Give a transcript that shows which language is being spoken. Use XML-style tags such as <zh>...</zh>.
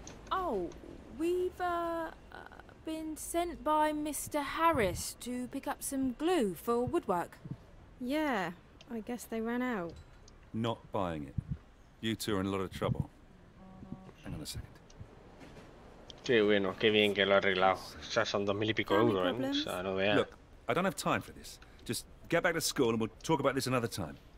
<en>Oh, we've been sent by Mr. Harris to pick up some glue for woodwork. Yeah. I guess they ran out. Not buying it. You two are in a lot of trouble. Hang on a second.</en> <es>Qué bueno, qué bien que lo ha arreglado. Ya son 2,000 y pico euros, ¿eh? O sea, no vea.</es> <en>Look, I don't have time for this. Just get back to school and we'll talk about this another time.</en>